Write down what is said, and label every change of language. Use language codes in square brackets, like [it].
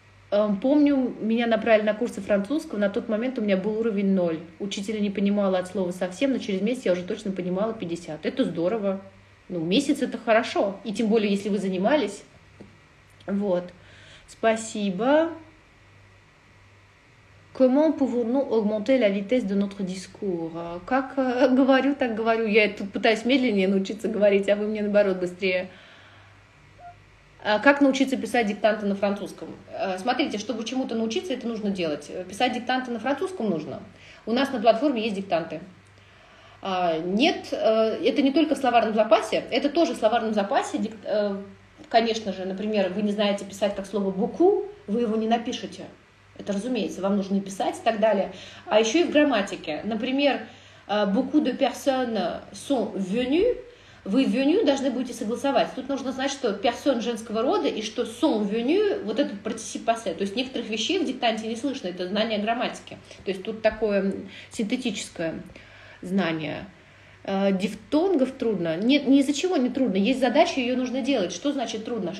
[ru] Помню, меня направили на курсы французского. На тот момент у меня был уровень 0. Учителя не понимала от слова совсем, но через месяц я уже точно понимала 50. Это здорово. Ну, месяц — это хорошо. И тем более, если вы занимались. Вот. Спасибо. [fr] Comment pouvons-nous augmenter la vitesse de notre discours? [ru] Как говорю, так говорю. Я тут пытаюсь медленнее научиться говорить, а вы мне, наоборот, быстрее. Как научиться писать диктанты на французском? Смотрите, чтобы чему-то научиться, это нужно делать. Писать диктанты на французском нужно. У нас на платформе есть диктанты. Нет, это не только в словарном запасе. Это тоже в словарном запасе. Конечно же, например, вы не знаете писать как слово «beaucoup», вы его не напишете. Это, разумеется, вам нужно писать и так далее. А еще и в грамматике. [fr] Например, beaucoup de personnes sont venues. [ru] Вы venues должны будете согласовать. Тут нужно знать, что person женского рода и что [fr] sont venues, [ru] вот этот particip passé. То есть некоторых вещей в диктанте не слышно. Это знание грамматики. То есть тут такое синтетическое знание. Дифтонгов трудно? Нет, ни из-за чего не трудно. Есть задача, ее нужно делать. Что значит трудно?